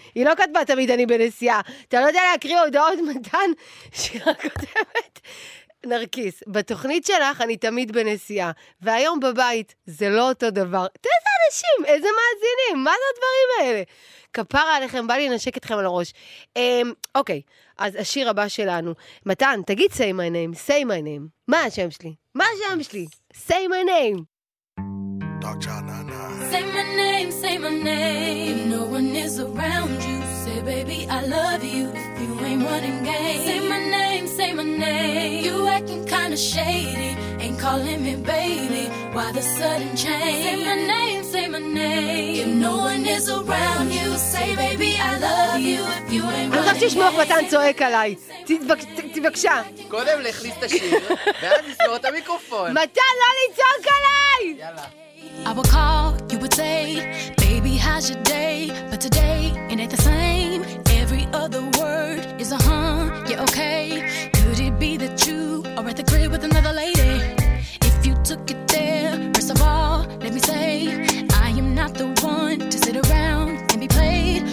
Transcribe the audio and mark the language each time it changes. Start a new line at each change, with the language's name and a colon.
Hebrew: היא לא כתבה תמיד אני בנסיעה. אתה לא יודע להקריא הודעות, מתן? שירה כותבת, נרקיס, בתוכנית שלך אני תמיד בנסיעה, והיום בבית זה לא אותו דבר. איזה אנשים, איזה מאזינים, מה זה הדברים האלה? כפרה עליכם, בא לי לנשק אתכם על הראש. אוקיי, אז השיר הבא שלנו. מתן, תגיד
English: say my name, say my name.
Hebrew: מה השם שלי? מה השם שלי?
English: Say my name. Dr. Nana. Say my name, say my name. No everyone is around you. Say, baby, I love you. You ain't running games. Say my name, say my name. You acting kind of shady. Ain't calling me baby. Why the sudden change? Say my name, say my name. If no one is around you, say, baby, I love you. If you ain't running games.
Hebrew: אני חושב שישמוך מתן צועק עליי. תבקשה. קודם להחליף את השיר, ואז נסגור את המיקרופון. מתן, לא לצעוק עליי! יאללה.
English: I would call, you would say, baby, how's your day? But today, it ain't the same. Every other word is a huh, yeah, okay. Could it be that you are at the crib with another lady? If you took it there, first of all, let me say, I am not the one to sit around and be played.